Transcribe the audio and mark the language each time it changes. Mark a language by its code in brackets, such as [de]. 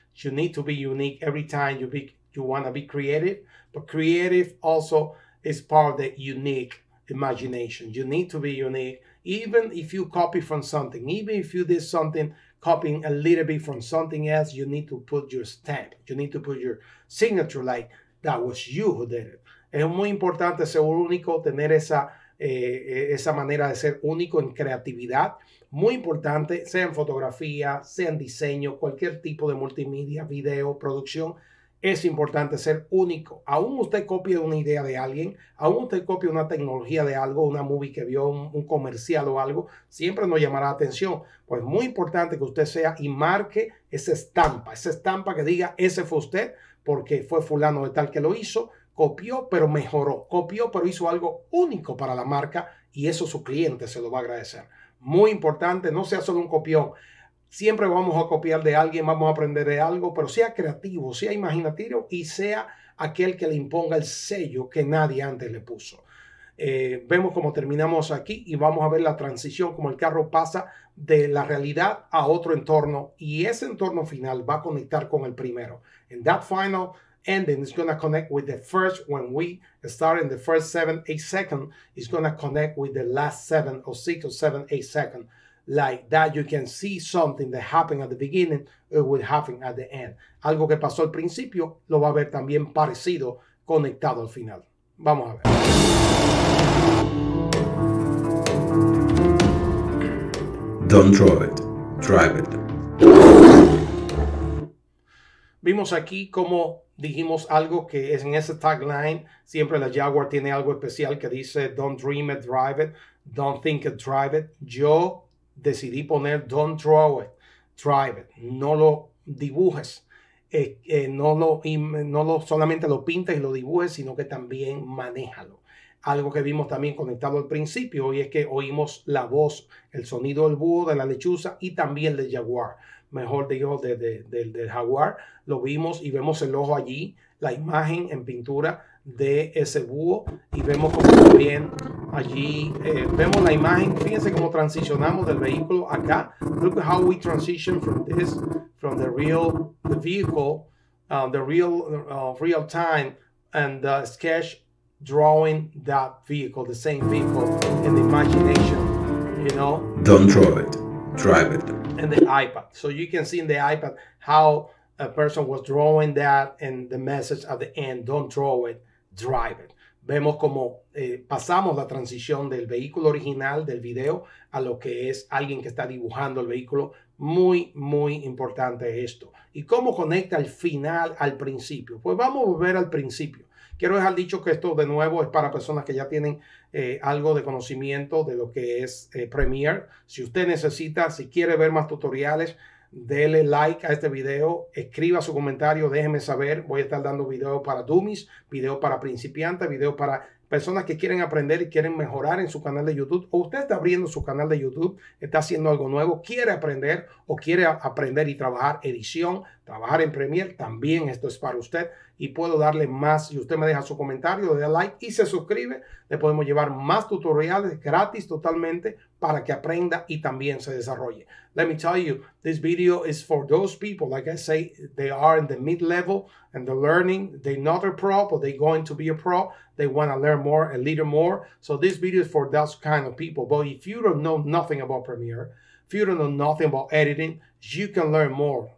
[en] You need to be unique every time you pick. You want to be creative, but creative also is part of the unique imagination. You need to be unique, even if you copy from something, even if you did something, copying a little bit from something else, you need to put your stamp. You need to put your signature like that was you who did it. [es] Es muy importante ser único, tener esa manera de ser único en creatividad. Muy importante, sea en fotografía, sea en diseño, cualquier tipo de multimedia, video, producción. Es importante ser único. Aún usted copie una idea de alguien, aún usted copie una tecnología de algo, una movie que vio, un comercial o algo, siempre nos llamará la atención. Pues muy importante que usted sea y marque esa estampa que diga ese fue usted, porque fue fulano de tal que lo hizo, copió pero mejoró, copió pero hizo algo único para la marca y eso su cliente se lo va a agradecer. Muy importante, no sea solo un copión. Siempre vamos a copiar de alguien, vamos a aprender de algo, pero sea creativo, sea imaginativo y sea aquel que le imponga el sello que nadie antes le puso. Vemos cómo terminamos aquí y vamos a ver la transición, como el carro pasa de la realidad a otro entorno y ese entorno final va a conectar con el primero. [en] And that final ending is going to connect with the first when we start in the first 7-8 seconds. It's going to connect with the last 7 or 6 or 7-8 seconds. Like that, you can see something that happened at the beginning, it will happen at the end. [es] Algo que pasó al principio, lo va a ver también parecido, conectado al final. Vamos a ver. [en] Don't draw it, drive it. [es] Vimos aquí cómo dijimos algo que es en ese tagline. Siempre la Jaguar tiene algo especial que dice, [en] don't dream it, drive it. Don't think it, drive it. [es] Yo decidí poner [en] don't draw it, drive it. [es] No lo dibujes, no lo solamente lo pintes y lo dibujes, sino que también manéjalo. algo que vimos también conectado al principio, y es que oímos la voz, el sonido del búho, de la lechuza y también del jaguar. Mejor digo, del jaguar. Lo vimos y vemos el ojo allí, la imagen en pintura de ese búho, y vemos como también allí, vemos la imagen, fíjense cómo transicionamos del vehículo acá. [en] Look at how we transition from this, from the real, the vehicle, the real, real time, and the sketch drawing that vehicle, the same vehicle, in the imagination, you know? Don't draw it, drive it. And the iPad. So you can see in the iPad how a person was drawing that, and the message at the end, don't draw it, drive it. [es] Vemos como pasamos la transición del vehículo original del video a lo que es alguien que está dibujando el vehículo. Muy, muy importante esto. ¿Y cómo conecta el final al principio? Pues vamos a volver al principio. Quiero dejar dicho que esto de nuevo es para personas que ya tienen algo de conocimiento de lo que es Premiere. Si usted necesita, si quiere ver más tutoriales, dele like a este video, escriba su comentario, déjeme saber. Voy a estar dando videos para dummies, videos para principiantes, videos para personas que quieren aprender y quieren mejorar en su canal de YouTube. O usted está abriendo su canal de YouTube, está haciendo algo nuevo, quiere aprender o quiere aprender y trabajar edición, trabajar en Premiere. También esto es para usted y puedo darle más. Si usted me deja su comentario, le da like y se suscribe, le podemos llevar más tutoriales gratis totalmente para que aprenda y también se desarrolle. [en] Let me tell you, this video is for those people, like I say, they are in the mid-level and they're learning, they're not a pro, but they're going to be a pro, they want to learn more, a little more. So this video is for those kind of people. But if you don't know nothing about Premiere, if you don't know nothing about editing, you can learn more.